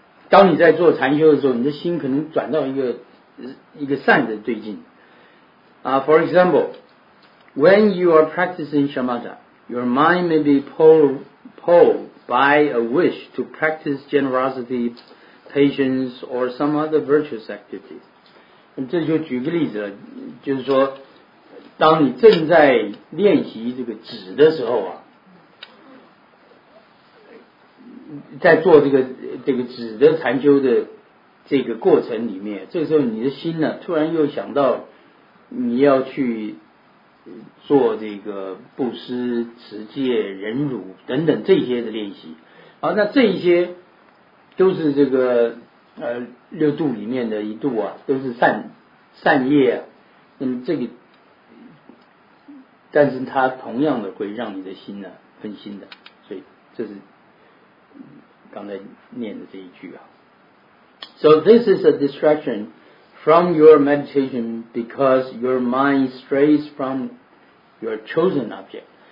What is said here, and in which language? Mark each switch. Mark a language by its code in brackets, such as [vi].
[zh] 当你在做禅修的时候，你的心可能转到一个善的对境。 [en] For example, when you are practicing shamatha, your mind may be pulled by a wish to practice generosity, patience, or some other virtuous activities. [zh] 这就举个例子了，就是说，当你正在练习这个止的时候啊，在做这个止的禅修的这个过程里面，这个时候你的心呢，突然又想到你要去做这个布施、持戒、忍辱等等这些的练习。好，那这一些都是这个六度里面的一度啊，都是善业啊。这个，但是它同样的会让你的心呢、啊、分心的，所以这是刚才念的这一句啊。 [en] So this is a distraction from your meditation because your mind strays from your chosen object.